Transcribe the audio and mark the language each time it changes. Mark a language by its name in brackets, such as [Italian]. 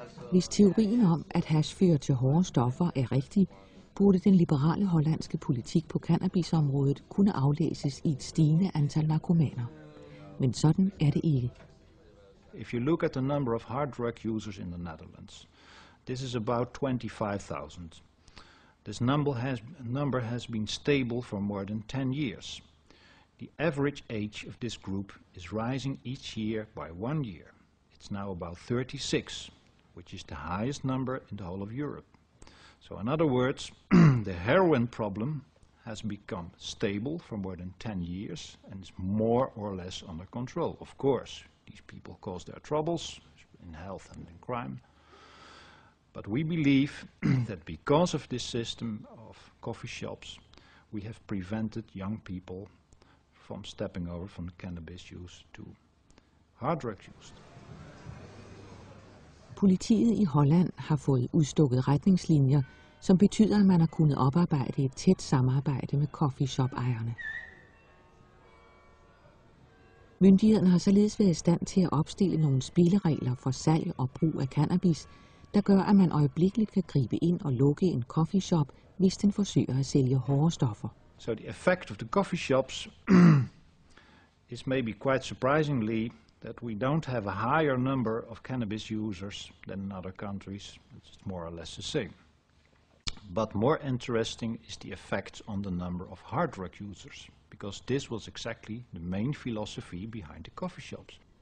[Danish] Hvis teorien om, at hash fører til hårde stoffer, er rigtig, burde den liberale hollandske politik på cannabisområdet kunne aflæses i et stigende antal narkomaner. Men sådan er det ikke. [English] If you look at the number of hard drug users in the Netherlands, this is about 25,000. This number has been stable for more than 10 years. The average age of this group is rising each year by 1 year. It's now about 36, which is the highest number in the whole of Europe. So in other words, the heroin problem has become stable for more than 10 years and is more or less under control. Of course, these people cause their troubles in health and in crime. But we believe that because of this system of coffee shops, we have prevented young people from stepping over from cannabis use to hard drug use. [Danish] Politiet i Holland har fået udstukket retningslinjer, som betyder, at man har kunnet oparbejde et tæt samarbejde med coffeeshop-ejerne. Myndighederne har således været i stand til at opstille nogle spilleregler for salg og brug af cannabis, der gør, at man øjeblikkeligt kan gribe ind og lukke en coffeeshop, hvis den forsøger at sælge hårde stoffer. [English] So the effect of the coffee shops is maybe quite surprisingly that we don't have a higher number of cannabis users than in other countries. It's more or less the same. But more interesting is the effect on the number of hard drug users, because this was exactly the main philosophy behind the coffee shops.